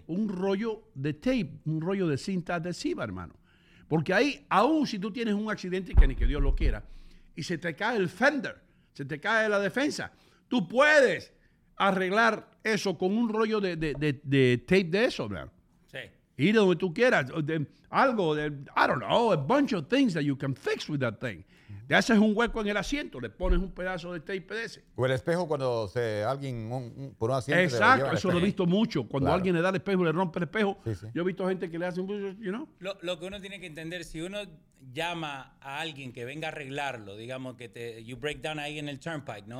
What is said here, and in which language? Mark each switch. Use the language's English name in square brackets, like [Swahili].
[Spanish] Un rollo de tape, un rollo de cinta adhesiva, hermano. Porque ahí, aún si tú tienes un accidente, que ni que Dios lo quiera, y se te cae el fender, se te cae la defensa, tú puedes arreglar eso con un rollo de tape de eso, hermano. Sí. Ir donde tú quieras, [English] I don't know, a bunch of things that you can fix with that thing. [Spanish] Te haces un hueco en el asiento, le pones un pedazo de tape de ese. O el espejo cuando por un asiento. Exacto, lo eso lo he visto mucho. Cuando claro. Alguien le da el espejo, le rompe el espejo. Sí, sí. Yo he visto gente que le hace un... [English] You know? [Spanish] Lo que uno tiene que entender, si uno llama a alguien que venga a arreglarlo, digamos que te [English] you break down [Spanish] ahí en el turnpike, ¿no?